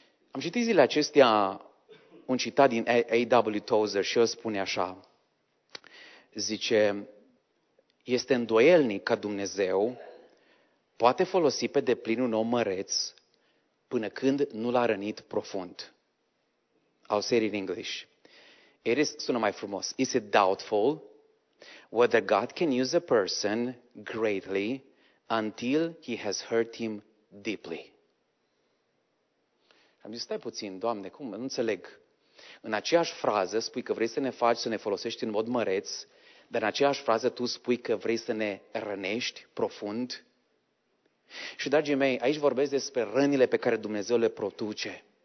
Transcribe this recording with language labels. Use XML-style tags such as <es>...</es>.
<ro>Am citit zilele acestea un citat din A.W. Tozer și el spune așa, zice: este îndoielnic ca Dumnezeu poate folosi pe deplin un om măreț până când nu l-a rănit profund.</ro> <en>I'll say it in English. It is,</en> <ro>sună mai frumos,</ro> <en>is it doubtful whether God can use a person greatly until he has hurt him deeply?</en> <ro>Am zis: stai puțin, Doamne, cum? Nu înțeleg. În aceeași frază spui că vrei să ne faci să ne folosești în mod măreț, dar în aceeași frază tu spui că vrei să ne rănești profund. Și, dragii mei, aici vorbesc despre rănile pe care Dumnezeu le produce.</ro>